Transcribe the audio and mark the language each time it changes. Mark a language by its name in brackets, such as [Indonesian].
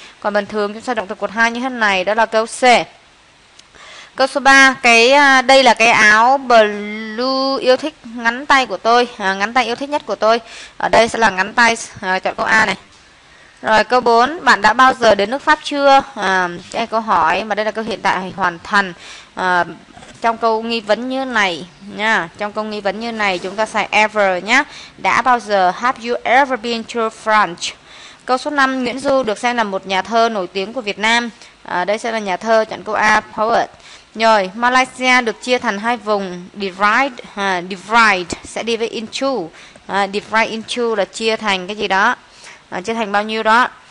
[Vietnamese] Còn bình thường chúng ta động từ cột 2 như thế này, đó là câu C. Câu số 3, cái đây là cái áo blue yêu thích ngắn tay của tôi, ngắn tay yêu thích nhất của tôi. Ở đây sẽ là ngắn tay, chọn câu A này. Rồi câu 4, bạn đã bao giờ đến nước Pháp chưa? Cái câu hỏi mà đây là câu hiện tại hoàn thành. Trong câu nghi vấn như này nha, trong câu nghi vấn như này chúng ta xài ever nhé. Đã bao giờ, [English] have you ever been to France? [Vietnamese] Câu số 5, Nguyễn Du được xem là một nhà thơ nổi tiếng của Việt Nam. Đây sẽ là nhà thơ, chọn câu A, poet. Rồi, Malaysia được chia thành hai vùng, divide, divide sẽ đi với into. Divide into là chia thành cái gì đó, chia thành bao nhiêu đó.